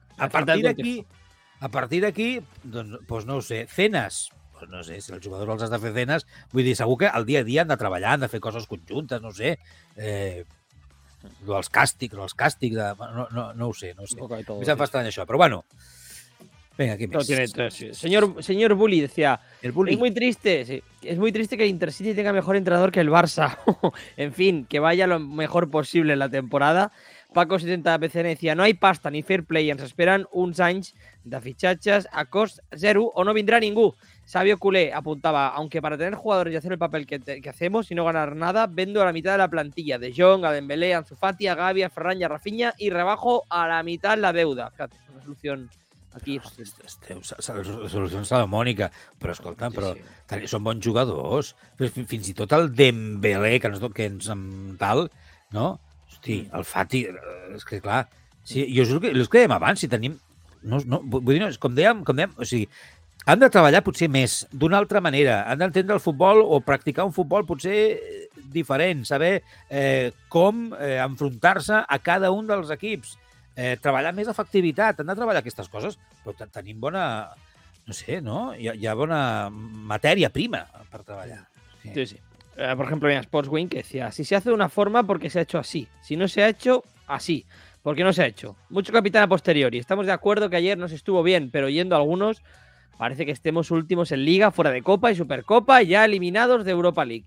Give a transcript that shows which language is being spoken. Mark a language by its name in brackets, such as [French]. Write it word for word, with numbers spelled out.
[Catalan] A partir d'aquí... A partir d'aquí, doncs, doncs no ho sé, cenes... Pues no sé, si els jugadors els has de fer cenes... Vull dir, segur que el dia a dia han de treballar, han de fer coses conjuntes, no sé... Eh... els càstigs, els càstigs... De... No, no, no ho sé, no ho sé. Em fa estrany això, però bueno, [Spanish] Venga, ¿qué más? No tiene tres, sí. Señor, señor Bully decía, el Bully. Es muy triste, sí, es muy triste que el Intercity tenga mejor entrenador que el Barça. En fin, que vaya lo mejor posible en la temporada. Paco setenta B C N decía, no hay pasta ni fair play, [Catalan] ens esperen uns anys de fitxatges a cost zero o no vendrá ningú. [Spanish] Sabio Culé apuntaba, aunque para tener jugadores y hacer el papel que, te, que hacemos y no ganar nada, vendo a la mitad de la plantilla, de Jong, a Dembélé, a Ansu Fati, a Gavi, a Ferran y a Rafinha, y rebajo a la mitad la deuda. Fíjate, una solución aquí. [Catalan] Solució salomònica, però escolta, sí, però sí. Són bons jugadors. Fins i tot el Dembélé, que ens, que ens tal, no? Hosti, el Fati, és que clar, sí, jo us que els que dèiem abans, si tenim... No, no, vull dir, no, com dèiem, com dèiem, o sigui, han de treballar potser més, d'una altra manera, han d'entendre el futbol o practicar un futbol potser diferent, saber eh, com eh, enfrontar-se a cada un dels equips, eh, treballar més efectivitat, han de treballar aquestes coses, però tenim bona, no sé, no? Hi ha, hi ha bona matèria prima per treballar. Sí, sí. sí. [Spanish] Eh, por ejemplo, en Sportswing que decía, si se hace de una forma, porque se ha hecho así, si no se ha hecho, así. ¿Por qué no se ha hecho? Mucho capitán a posteriori. Estamos de acuerdo que ayer nos estuvo bien, pero yendo a algunos, parece que estemos últimos en Liga, fuera de Copa y Supercopa, ya eliminados de Europa League.